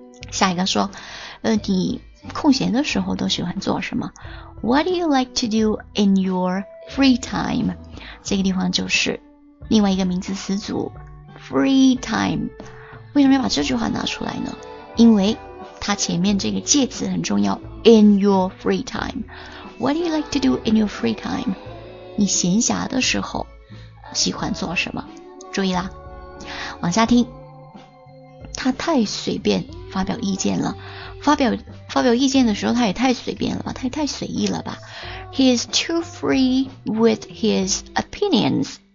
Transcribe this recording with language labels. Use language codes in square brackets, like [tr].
[zh] 下一个说你空闲的时候都喜欢做什么， What do you like to do in your free time？这个地方就是另外一个名词词组 free time。为什么要把这句话拿出来呢？因为它前面这个介词很重要， in your free time。 [en] What do you like to do in your free time？ [zh] 你闲暇的时候喜欢做什么？注意啦，往下听，他太随便发表意见了，发表意见的时候他也太随便了吧，太随意了吧。 [en] He is too free with his opinions。